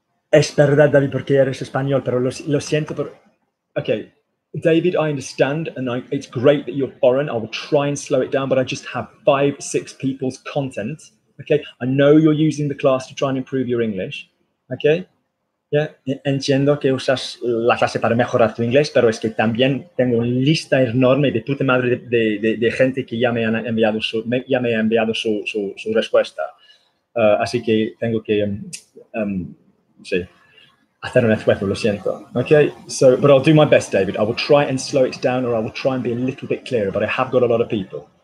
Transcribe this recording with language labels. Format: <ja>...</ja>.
<es>Es verdad, David, porque eres español, pero lo siento, pero...</es> <en>Okay, David, I understand, and it's great that you're foreign. I will try and slow it down, but I just have 5-6 people's content, okay? I know you're using the class to try and improve your English, okay?</en> <es>Ya, entiendo que usas la clase para mejorar tu inglés, pero es que también tengo una lista enorme de puta madre de gente que ya me han enviado su, ya me ha enviado su respuesta. Así que tengo que sí, hacer un esfuerzo, lo siento.</es> <en>Okay, so, but I'll do my best, David. I will try and slow it down, or I will try and be a little bit clearer, but I have got a lot of people.</en>